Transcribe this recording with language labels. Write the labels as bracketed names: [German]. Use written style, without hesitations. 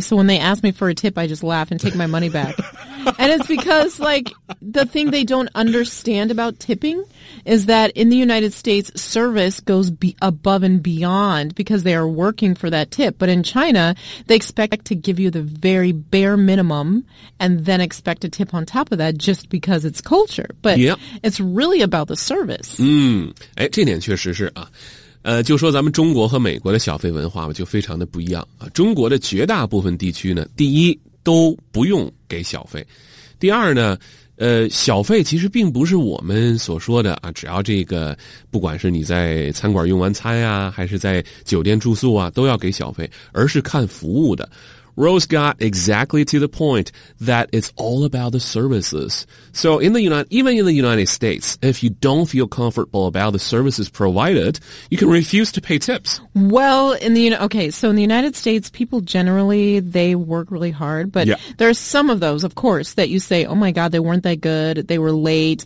[English] So when they ask me for a tip, I just laugh and take my money back. And it's because, like, the thing they don't understand about tipping is that in the United States, service goes above and beyond because they are working for that tip. But in China, they expect to give you the very bare minimum and then expect a tip on top of that just because it's culture. But it's really about the service. [Chinese] 哎，这点确实是啊。就说咱们中国和美国的小费文化嘛，就非常的不一样啊。中国的绝大部分地区呢，第一都不用给小费。第二呢，小费其实并不是我们所说的啊，只要这个不管是你在餐馆用完餐啊，还是在酒店住宿啊，都要给小费，而是看服务的。 [English] Rose got exactly to the point that it's all about the services. So in the United States, if you don't feel comfortable about the services provided, you can refuse to pay tips. Well, in the United States, people generally, they work really hard, but there are some of those, of course, that you say, oh my God, they weren't that good. They were late.